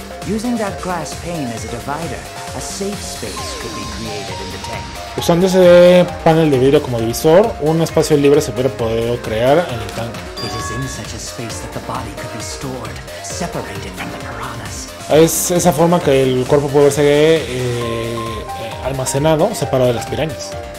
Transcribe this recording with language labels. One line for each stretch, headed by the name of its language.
English: Using that glass pane as a divider, a safe space could be created in the tank.
Spanish: Usando ese panel de vidrio como divisor, un espacio libre se hubiera podido crear en el tanque.
English: It is in such a space that the body could be stored, separated from the piranhas.
Spanish: Es esa forma que el cuerpo puede verse almacenado, separado de las pirañas.